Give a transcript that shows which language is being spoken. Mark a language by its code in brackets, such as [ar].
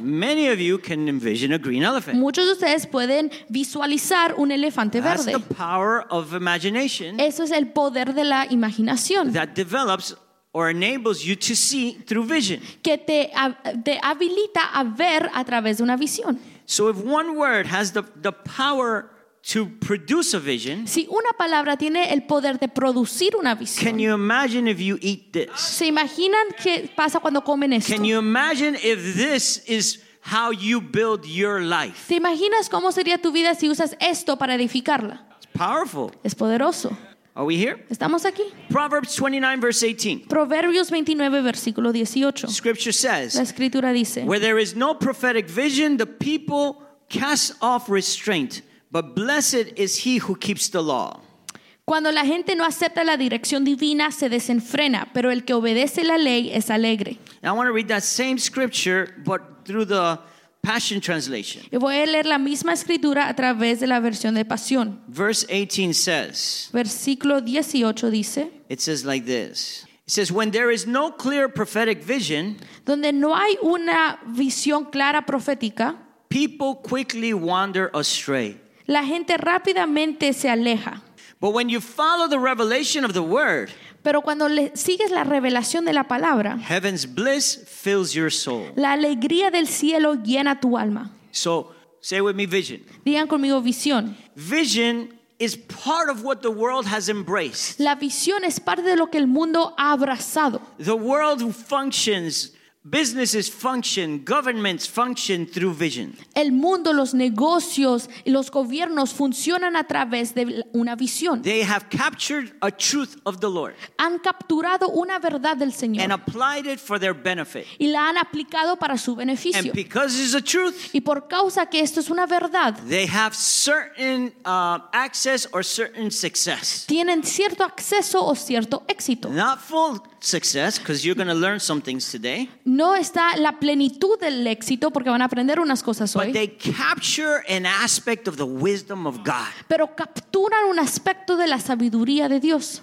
[en] many of you can envision a green elephant. [es] Muchos de ustedes pueden visualizar un elefante [en] That's [es] verde. [en] The power of imagination. [es] Eso es el poder de la imaginación. [en] That develops or enables you to see through vision. [es] Que te habilita a ver a través de una visión. [en] So if one word has the power to produce a vision. [es] Si una palabra tiene el poder de producir una visión. [en] Can you imagine if you eat this? [es] ¿Se imaginan qué pasa cuando comen esto? [en] Can you imagine if this is how you build your life? [es] ¿Te imaginas cómo sería tu vida si usas esto para edificarla? [en] It's powerful. [es] Es poderoso. [en] Are we here? [es] ¿Estamos aquí? [en] Proverbs 29 verse 18. [es] Proverbios 29 versículo 18. [en] Scripture says. [es] La escritura dice. [en] Where there is no prophetic vision, the people cast off restraint. But blessed is he who keeps the law. [es] Cuando la gente no acepta la dirección divina, se desenfrena, pero el que obedece la ley es alegre. [en] I want to read that same scripture, but through the Passion Translation. [es] Y voy a leer la misma escritura a través de la versión de Pasión. [en] Verse 18 says. [es] Versículo 18 dice. [en] It says like this. It says, when there is no clear prophetic vision. [es] Donde no hay una visión clara profética. [en] People quickly wander astray. [es] La gente rápidamente se aleja. [en] But when you follow the revelation of the word, [es] pero cuando le sigues la revelación de la palabra, [en] heaven's bliss fills your soul. [es] La alegría del cielo llena tu alma. [en] So, say with me, vision. [es] Digan conmigo, visión. [en] Vision is part of what the world has embraced. [es] La visión es parte de lo que el mundo ha abrazado. [en] The world functions, businesses function, governments function through vision. [es] El mundo, los negocios, los gobiernos funcionan a través de una visión. [en] They have captured a truth of the Lord. [es] Han capturado una verdad del Señor. [en] And applied it for their benefit. [es] Y la han aplicado para su beneficio. [en] And because it's a truth. [es] Y por causa que esto es una verdad. [en] They have certain access or certain success. [es] Tienen cierto acceso o cierto éxito. [en] Not full success, because you're going to learn some things today. [es] No está la plenitud del éxito porque van a aprender unas cosas hoy. [en] But they capture an aspect of the wisdom of God. [es] Pero capturan un aspecto de la sabiduría de Dios.